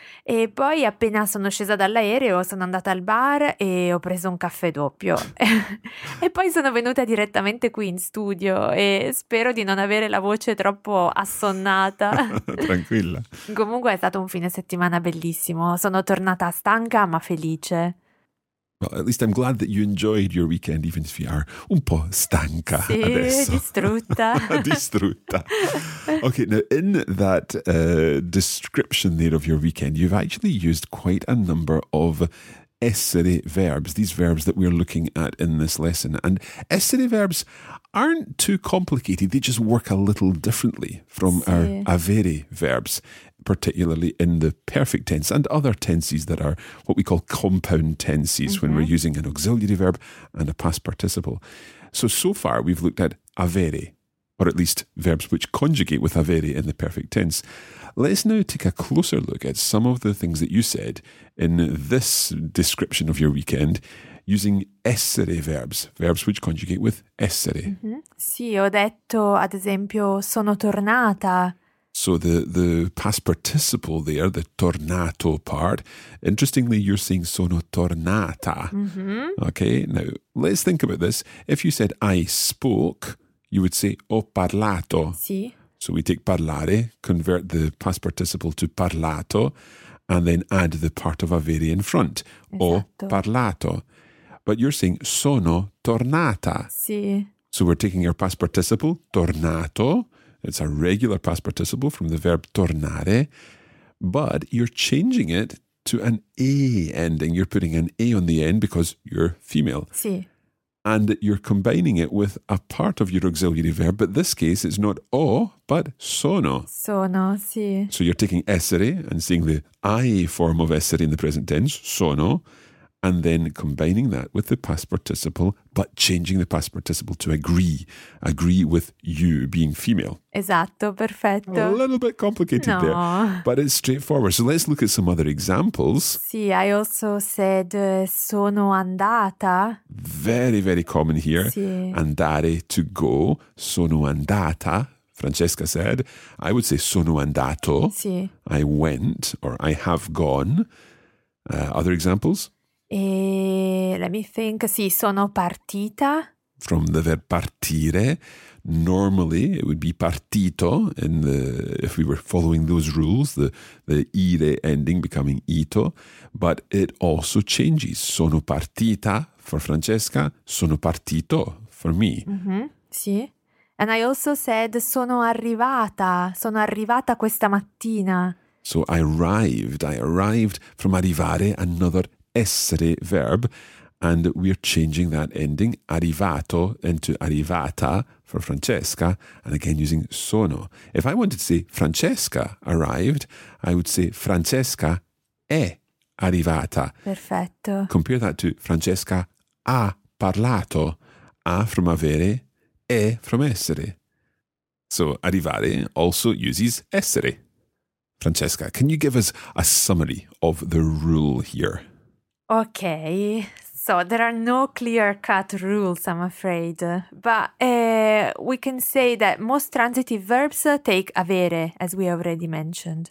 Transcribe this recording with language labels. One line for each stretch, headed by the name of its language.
Italian: E poi, appena sono scesa dall'aereo, sono andata al bar e ho preso un caffè doppio. E poi sono venuta direttamente qui in studio e spero di non avere la voce troppo assonnata. Tranquilla. Comunque è stato un fine settimana bellissimo. Sono tornata stanca, ma felice.
English: Well, at least I'm glad that you enjoyed your weekend, even if you are
Italian: un po' stanca Sì, adesso. distrutta. Distrutta.
English: Okay, now in that description there of your weekend, you've actually used quite a number of essere verbs, these verbs that we're looking at in this lesson. And essere verbs aren't too complicated, they just work a little differently from our
Italian: Sì.
English: avere verbs, particularly in the perfect tense and other tenses that are what we call compound tenses when we're using an auxiliary verb and a past participle. So far we've looked at avere, or at least verbs which conjugate with avere in the perfect tense. Let's now take a closer look at some of the things that you said in this description of your weekend using essere verbs, verbs which conjugate with essere.
Italian: Sì, ho detto, ad esempio, sono tornata.
English: So the past participle there, the tornato part, interestingly, you're saying
Italian: sono tornata.
English: Okay, now let's think about this. If you said I spoke, you would say
Italian: ho parlato. Sì.
English: So we take parlare, convert the past participle to parlato, and then add the part of avere in front, ho
Italian: Esatto. parlato.
English: But you're saying
Italian: sono tornata. Sì.
English: So we're taking our past participle, tornato. It's a regular past participle from the verb tornare, but you're changing it to an A ending. You're putting an A on the end because you're female.
Italian: Sì.
English: And you're combining it with a part of your auxiliary verb, but this case it's not ho, but sono.
Italian: Sono, sì.
English: So you're taking essere and seeing the I form of essere in the present tense, sono, and then combining that with the past participle, but changing the past participle to agree with you being female.
Italian: Esatto,
English: A
Italian: perfetto.
English: little bit complicated there, No. but it's straightforward. So let's look at some other examples. Sì, I also said
Italian: sono andata.
English: Very, very common here.
Italian: Sì.
English: Andare to go.
Italian: Sono andata,
English: Francesca said. I would say
Italian: sono andato. Sì.
English: I went or I have gone. Other examples? Let me think. Sì,
Italian: sono partita.
English: From the verb partire. Normally it would be partito in the if we were following those rules, the ire ending becoming ito, but it also changes.
Italian: Sono partita
English: for Francesca,
Italian: sono partito
English: for me.
Italian: Sì.
English: And I also said
Italian: sono arrivata questa mattina.
English: So I arrived from arrivare, another essere verb. And we're changing that ending, arrivato, into arrivata for Francesca, and again using sono. If I wanted to say Francesca arrived, I would say Francesca
Italian: è arrivata. Perfetto.
English: Compare that to Francesca
Italian: ha parlato,
English: a from avere, è from essere. So arrivare also uses essere. Francesca, can you give us a summary of the rule here? Okay, so there are no clear-cut rules, I'm afraid. But we can say that most transitive verbs take avere, as we already mentioned.